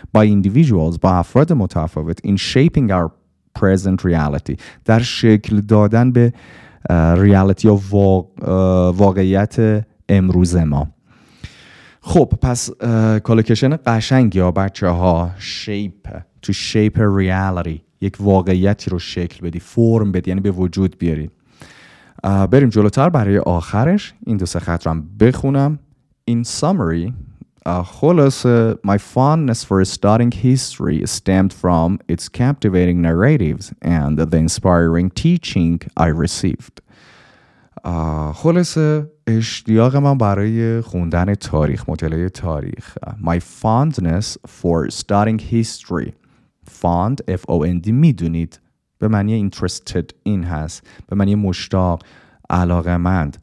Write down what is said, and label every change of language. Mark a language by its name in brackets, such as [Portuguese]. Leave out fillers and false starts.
[English] By individuals، [Persian] با افراد متفاوت. [English] In shaping our present reality، [Persian] در شکل دادن به reality یا واقعیت امروز ما. خب پس کالوکیشن قشنگی ها بچه ها. shape، to shape a reality، یک واقعیتی رو شکل بدی، فرم بدی، یعنی به وجود بیاری. بریم جلوتر برای آخرش این دو سه خط رو هم بخونم. [English] In summary، خلاصه، my fondness for studying history stemmed from its captivating narratives and the inspiring teaching I received. [Persian] خلاصه اشتیاق من برای خوندن تاریخ، مطالعه تاریخ. [English] My fondness for studying history، [Persian] fond F-O-N-D میدونید به معنی [English] interested in [Persian] هست، به معنی مشتاق، علاقه مند.